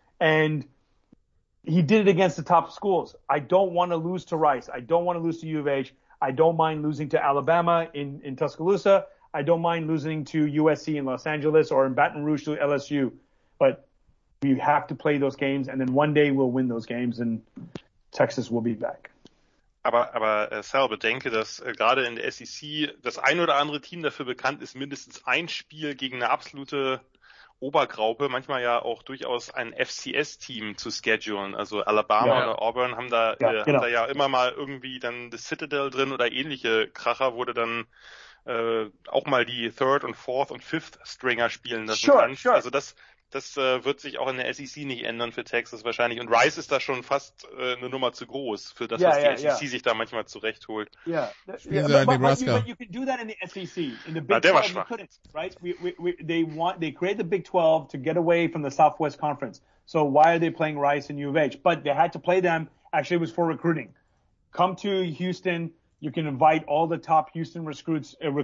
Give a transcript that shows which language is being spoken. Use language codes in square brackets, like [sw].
[en] And he did it against the top schools. I don't want to lose to Rice. I don't want to lose to U of H. I don't mind losing to Alabama in Tuscaloosa. I don't mind losing to USC in Los Angeles or in Baton Rouge to LSU. But we have to play those games, and then one day we'll win those games, and Texas will be back. [de] Aber Sal, bedenke, dass gerade in der SEC das ein oder andere Team dafür bekannt ist, mindestens ein Spiel gegen eine absolute Obergraupe, manchmal ja auch durchaus ein FCS-Team zu schedulen. Also Alabama oder Auburn haben da, haben da ja immer mal irgendwie dann das Citadel drin oder ähnliche Kracher, wo du dann auch mal die Third und Fourth und Fifth Stringer spielen lassen kannst. [en] Sure. [de] Also das wird sich auch in der SEC nicht ändern für Texas wahrscheinlich. Und Rice ist da schon fast eine Nummer zu groß für das, was die SEC sich da manchmal zurechtholt. [en] But you can do that in the SEC. In the Big 12, you couldn't, right? They create the Big 12 to get away from the Southwest Conference. So why are they playing Rice and U of H? But they had to play them. Actually, it was for recruiting. Come to Houston. You can invite all the top Houston recruits.